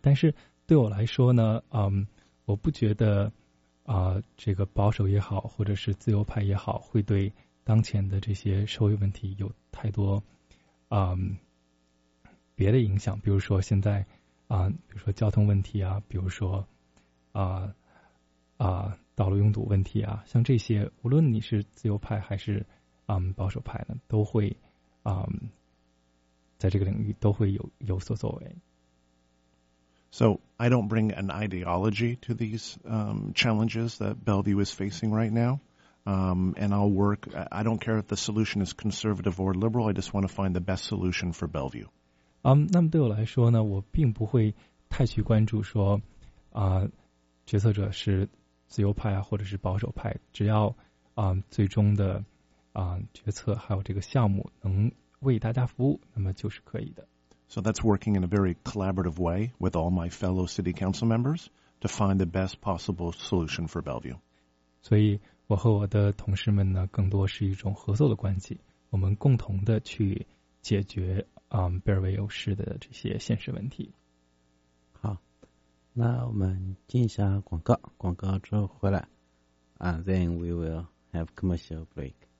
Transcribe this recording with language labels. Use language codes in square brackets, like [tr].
[zh] 但是对我来说呢，我不觉得这个保守也好，或者是自由派也好，会对当前的这些社会问题有太多别的影响，比如说现在比如说交通问题啊，比如说道路拥堵问题啊，像这些无论你是自由派还是保守派呢，都会在这个领域都会有所作为。 [en] So I don't bring an ideology to these challenges that Bellevue is facing right now, and I'll work, I don't care if the solution is conservative or liberal, I just want to find the best solution for Bellevue. [zh] 那么对我来说呢，我并不会太去关注说决策者是自由派啊或者是保守派，只要最终的决策还有这个项目能为大家服务，那么就是可以的。 [en] So that's working in a very collaborative way with all my fellow city council members to find the best possible solution for Bellevue. [zh] 所以我和我的同事们呢，更多是一种合作的关系，我们共同的去解决贝尔维尤市的这些现实问题。好，那我们进一下广告，广告之后回来。 [en] And then we will have commercial break.